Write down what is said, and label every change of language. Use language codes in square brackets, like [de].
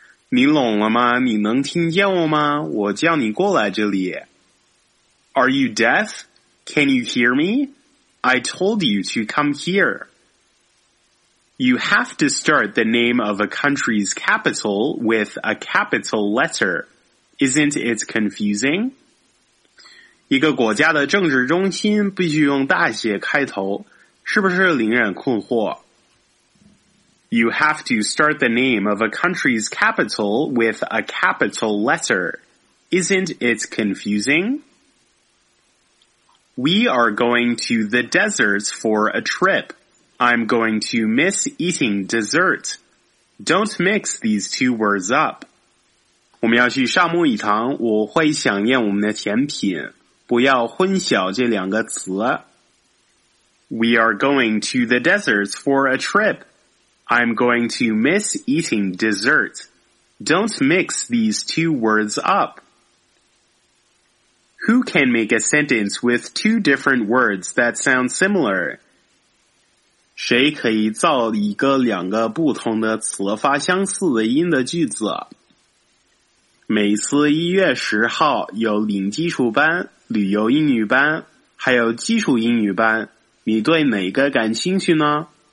[zh] 你聋了吗？你能听见我吗？我叫你过来这里。 [en] Are you deaf? Can you hear me? I told you to come here. You have to start the name of a country's capital with a capital letter. Isn't it confusing? [zh] 一个国家的政治中心必须用大写开头，是不是令人困惑？ [en] You have to start the name of a country's capital with a capital letter. Isn't it confusing? We are going to the desert for a trip. I'm going to miss eating dessert. Don't mix these two words up. [zh] 我们要去沙漠一趟，我会想念我们的甜品，不要混淆这两个词。 [en] We are going to the desert for a trip. I'm going to miss eating dessert. Don't mix these two words up. Who can make a sentence with two different words that sound similar? [zh] 谁可以造一个两个不同的词发相似的音的句子？每次一月十号有零基础班、旅游英语班，还有基础英语班，你对哪个感兴趣呢？